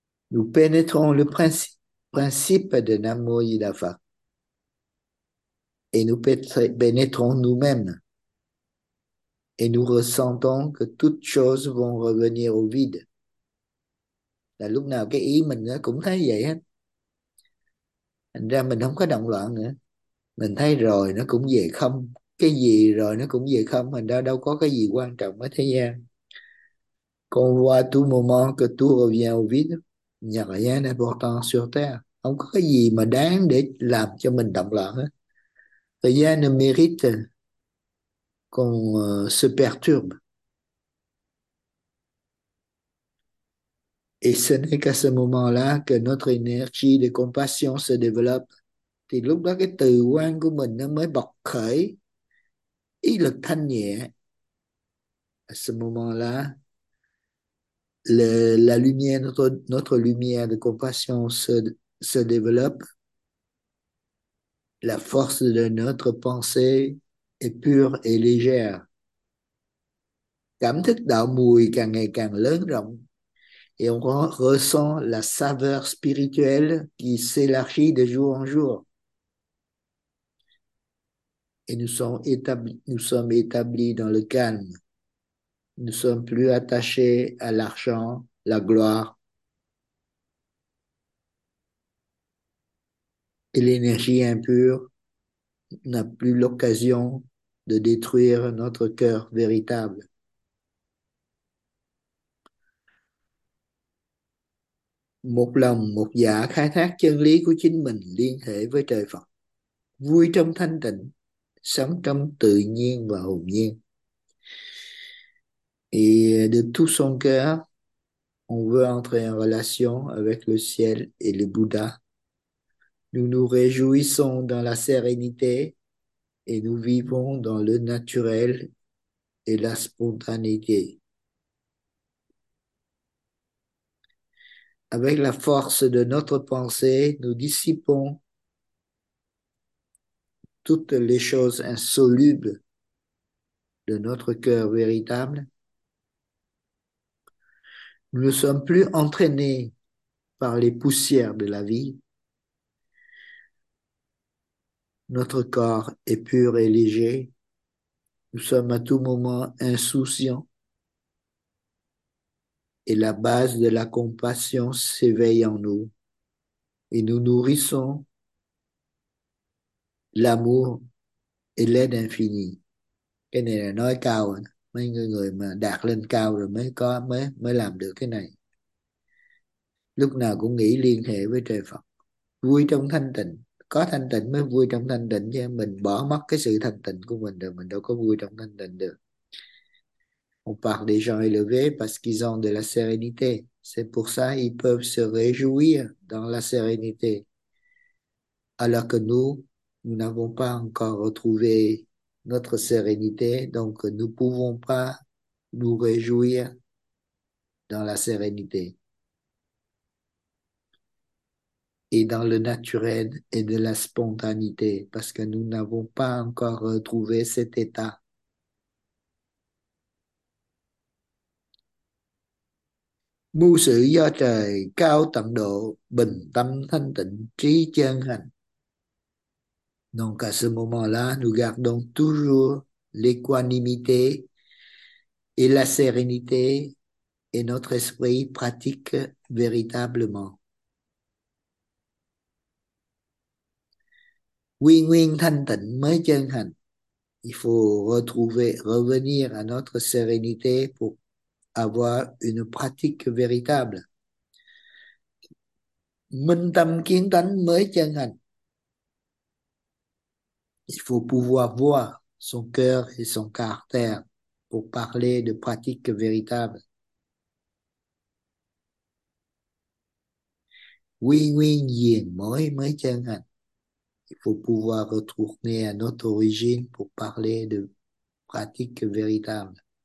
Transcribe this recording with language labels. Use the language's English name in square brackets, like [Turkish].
[French] Nous pénétrons le principe de Namo Yidhafa et nous pénétrons nous-mêmes et nous ressentons que toutes choses vont revenir au vide. [Vietnamese] Là lúc nào cái ý mình cũng thấy vậy hết. Thành ra mình không có động loạn nữa. Mình thấy rồi nó cũng về không. Cái gì rồi nó cũng về không. Thành ra đâu có cái gì quan trọng ở thế gian. [French] Qu'on voit tout moment que tout revient au vide. Il n'y a rien d'important sur terre. [Vietnamese] Không có cái gì mà đáng để làm cho mình động loạn hết. Thời gian nó [French] mérite qu'on se perturbe. Et ce n'est qu'à ce moment-là que notre énergie de compassion se développe, [Vietnamese] thì lúc đó cái từ quan của mình nó mới bộc khởi ý lực thanh nhẹ. [French] À ce moment-là, la lumière, notre lumière de compassion se développe. La force de notre pensée est pure et légère. [Vietnamese] Cảm thức đạo mùi càng ngày càng lớn rộng [French] et on ressent la saveur spirituelle qui s'élargit de jour en jour. Et nous sommes établis dans le calme. Nous ne sommes plus attachés à l'argent, la gloire et l'énergie impure n'a plus l'occasion de détruire notre cœur véritable. [Vietnamese] Một lòng một dạ khai thác chân lý của chính mình liên hệ với trời Phật, vui trong thanh tịnh, sống trong tự nhiên và hồn nhiên. [French] Et de tout son cœur, on veut entrer en relation avec le ciel et le Bouddha. Nous nous réjouissons dans la sérénité et nous vivons dans le naturel et la spontanéité. Avec la force de notre pensée, nous dissipons toutes les choses insolubles de notre cœur véritable. Nous ne sommes plus entraînés par les poussières de la vie. Notre corps est pur et léger. Nous sommes à tout moment insouciants. Et la base de la compassion s'éveille en nous. Et nous nourrissons l'amour et l'aide infinie. [Vietnamese] Cái này là nói cao rồi. Mấy người mà đạt lên cao rồi mới làm được cái này. Lúc nào cũng nghĩ liên hệ với trời Phật. Vui trong thanh tịnh. Có thanh tịnh mới vui trong thanh tịnh chứ. Mình bỏ mất cái sự thanh tịnh của mình rồi mình đâu có vui trong thanh tịnh được. [French] On parle des gens élevés parce qu'ils ont de la sérénité. C'est pour ça qu'ils peuvent se réjouir dans la sérénité. Alors que nous n'avons pas encore retrouvé notre sérénité, donc nous ne pouvons pas nous réjouir dans la sérénité. Et dans le naturel et de la spontanéité, parce que nous n'avons pas encore retrouvé cet état. [Vietnamese] Mưu sự do trời cao tận độ, bình tâm thanh tịnh, trí chân hành. [French] Donc à ce moment-là, nous gardons toujours l'équanimité et la sérénité et notre esprit pratique véritablement. [Vietnamese] Quy nguyên thanh tịnh mới chân hành. [French] Il faut revenir à notre sérénité pour avoir une pratique véritable. [Vietnamese] Minh tâm kiến tánh mới chân hành. [French] Il faut pouvoir voir son cœur et son caractère pour parler de pratiques véritables. Oui, [Vietnamese] nguyên diện mới mới chân hành. [French] Il faut pouvoir retourner à notre origine pour parler de pratiques véritables.